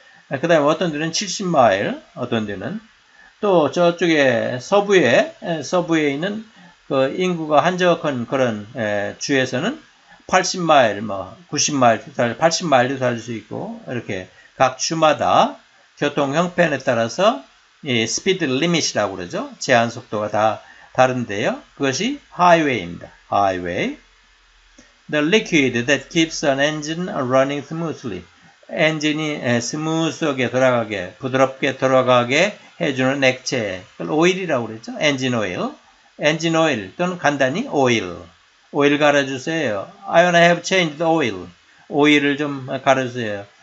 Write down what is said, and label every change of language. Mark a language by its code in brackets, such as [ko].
[ko] 그 다음에 어떤 데는 70마일, 어떤 데는. 또 저쪽에 서부에 있는 그 인구가 한적한 그런 주에서는 80마일, 뭐 90마일, 80마일도 달 수 있고 이렇게 각 주마다 교통 형편에 따라서 이 스피드 리밋이라고 그러죠. 제한 속도가 다 다른데요. 그것이 하이웨이입니다. 하이웨이. [en] The liquid that keeps an engine running smoothly. [ko] 엔진이 스무스하게 돌아가게, 부드럽게 돌아가게 해주는 액체. 그걸 오일이라고 그랬죠. 엔진 오일. 엔진 오일 또는 간단히 오일. 오일 갈아주세요. [en] I wanna have changed the oil. [ko] 오일을 좀 갈아주세요.